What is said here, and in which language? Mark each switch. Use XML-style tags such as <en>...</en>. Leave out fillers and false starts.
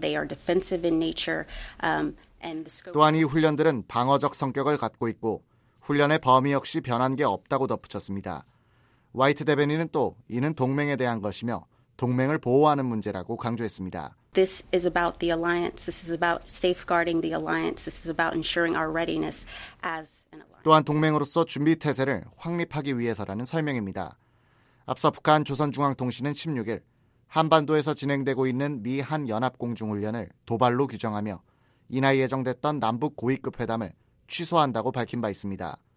<en>They are defensive in nature.</en> <ko>또한 이 훈련들은 방어적 성격을 갖고 있고 훈련의 범위 역시 변한 게 없다고 덧붙였습니다. 화이트 대변인은 또 이는 동맹에 대한 것이며 동맹을 보호하는 문제라고 강조했습니다.</ko> <en>This is about the alliance. This is about safeguarding the alliance. This is about ensuring our readiness as an alliance.</en> <ko>또한 동맹으로서 준비 태세를 확립하기 위해서라는 설명입니다. 앞서 북한 조선중앙통신은 16일 한반도에서 진행되고 있는 미한 연합 공중 훈련을 도발로 규정하며 이날 예정됐던 남북 고위급 회담을 취소한다고 밝힌 바 있습니다.</ko>